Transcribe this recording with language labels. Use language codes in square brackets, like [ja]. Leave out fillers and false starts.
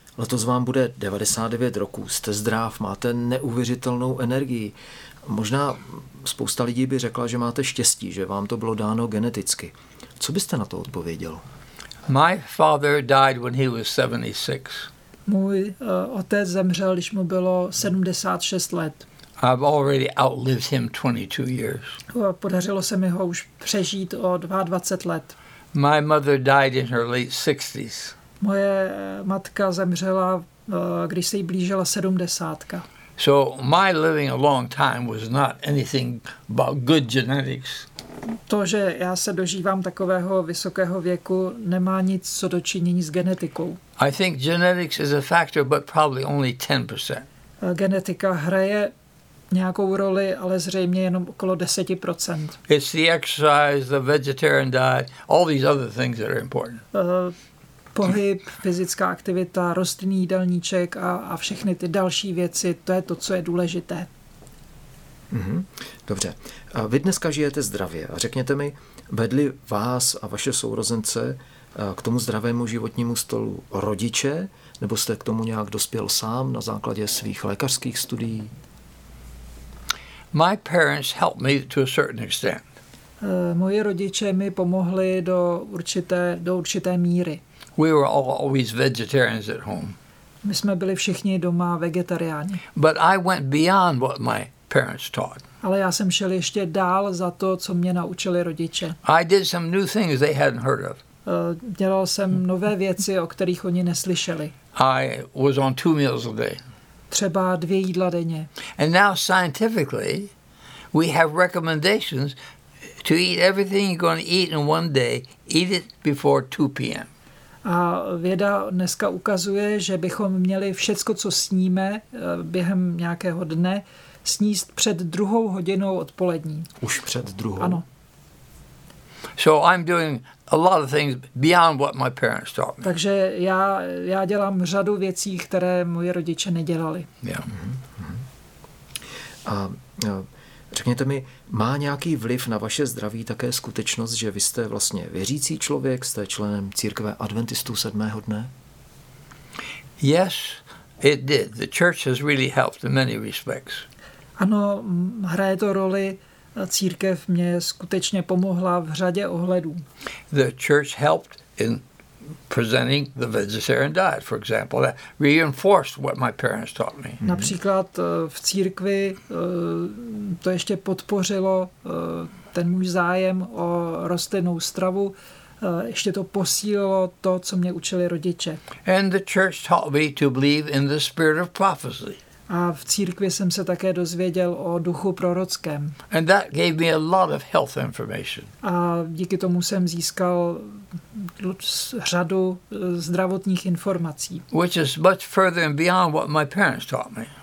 [cs] Letos vám bude 99 roků, jste zdrav, máte neuvěřitelnou energii. Možná spousta lidí by řekla, že máte štěstí, že vám to bylo dáno geneticky. Co byste na to odpověděl? [en] My father died when he was 76. [cs] Můj otec zemřel, když mu bylo 76 let. [en] I've already outlived him 22 years. [cs] Podařilo se mi ho už přežít o 22 let. [en] My mother died in her late 60s. [cs] Moje matka zemřela, když se jí blížila 70. [en] So my living a long time was not anything but good genetics. [cs] To, že já se dožívám takového vysokého věku, nemá nic co dočinění s genetikou. [en] I think genetics is a factor, but probably only 10%. [cs] Genetika hraje nějakou roli, ale zřejmě jenom okolo 10%. [en] It's the exercise, the vegetarian diet, all these other things that are important. [cs] Pohyb, fyzická aktivita, rostlinný jídelníček a všechny ty další věci, to je to, co je důležité. Dobře. A vy dneska žijete zdravě. A řekněte mi, vedli vás a vaše sourozence k tomu zdravému životnímu stolu rodiče, nebo jste k tomu nějak dospěl sám na základě svých lékařských studií? [en] My parents helped me to a certain extent. [cs] Moje rodiče mi pomohli do určité míry. [en] We were always vegetarians at home. [cs] My jsme byli všichni doma vegetariáni. [en] But I went beyond what my parents taught. [cs] Ale já jsem šel ještě dál za to, co mě naučili rodiče. [en] I did some new things they hadn't heard of. [cs] Dělal jsem nové věci, o kterých oni neslyšeli. [en] I was on two meals a day. [cs] Třeba dvě jídla denně. [en] And now scientifically, we have recommendations to eat everything you're going to eat in one day, eat it before 2 p.m. [cs] A věda dneska ukazuje, že bychom měli všecko, co sníme během nějakého dne, sníst před 2 hodinou odpolední. Už před 2? Ano. [en] So I'm doing a lot of things beyond what my parents taught me. [cs] Takže já dělám řadu věcí, které moje rodiče nedělali. Yeah. A řekněte mi, má nějaký vliv na vaše zdraví také skutečnost, že vy jste vlastně věřící člověk, jste členem církve Adventistů sedmého dne? [en] Yes, it did. The church has really helped in many respects. [cs] Ano, hraje to roli. Církev mě skutečně pomohla v řadě ohledů. [en] The church helped in presenting the vegetarian diet, for example, that reinforced what my parents taught me. [cs] Například v církvi to ještě podpořilo ten můj zájem o rostlinnou stravu, ještě to posílilo to, co mě učili rodiče. [en] And the church taught me to believe in the spirit of prophecy. [cs] A v církvi jsem se také dozvěděl o duchu prorockém. [en] And that gave me a lot of health information. [cs] A díky tomu jsem získal řadu zdravotních informací. [en] Which is much further and beyond what my parents taught me.